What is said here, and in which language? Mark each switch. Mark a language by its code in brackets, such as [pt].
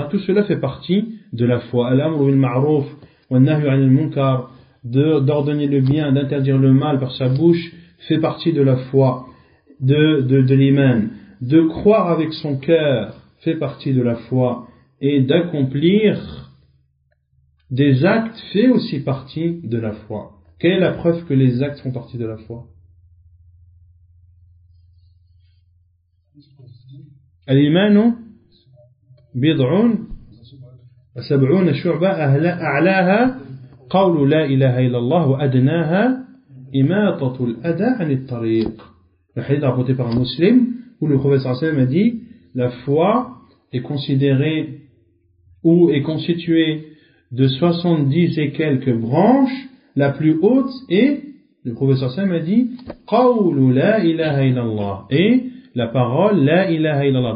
[fr] Tout cela fait partie de la foi. [ar] Al-amru bil ma'ruf wa an-nahyu 'anil munkar, [fr] d'ordonner le bien, d'interdire le mal par sa bouche, fait partie de la foi, de l'iman. De croire avec son cœur fait partie de la foi, et d'accomplir des actes fait aussi partie de la foi. Quelle est la preuve que les actes font partie de la foi? [ar] الإيمان بضع وسبعون شعبة أعلاها قول لا إله إلا الله وأدناها إماطة الأذى عن الطريق. [fr] الحديث rapporté par un مسلم où le prophète صلى الله عليه وسلم a dit la foi est considérée ou est constituée de 70 et quelques branches, la plus haute est, le prophète صلى الله عليه وسلم a dit [ar] قول لا إله إلا الله, [fr] et la parole la ilaha illallah.